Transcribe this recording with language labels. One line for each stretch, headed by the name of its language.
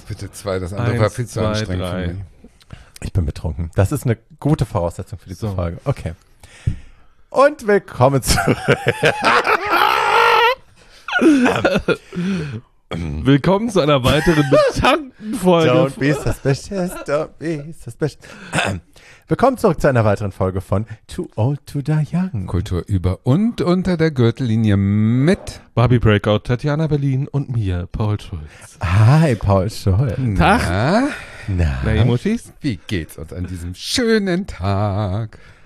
German: bitte 2, das andere 1, war viel zu 2, anstrengend 3. Für mich. Ich bin betrunken. Das ist eine gute Voraussetzung für diese Frage. Okay. Und willkommen zurück. Willkommen zu einer weiteren Betankenfolge.
English: Don't be suspicious, don't be suspicious.
German: Willkommen zurück zu einer weiteren Folge von Too Old to Die Young. Kultur über und unter der Gürtellinie mit Barbie Breakout, Tatjana Berlin und mir, Paul Schulz. Hi, Paul Schulz. Tag. Na, na, na Muschis, wie geht's uns an diesem schönen Tag?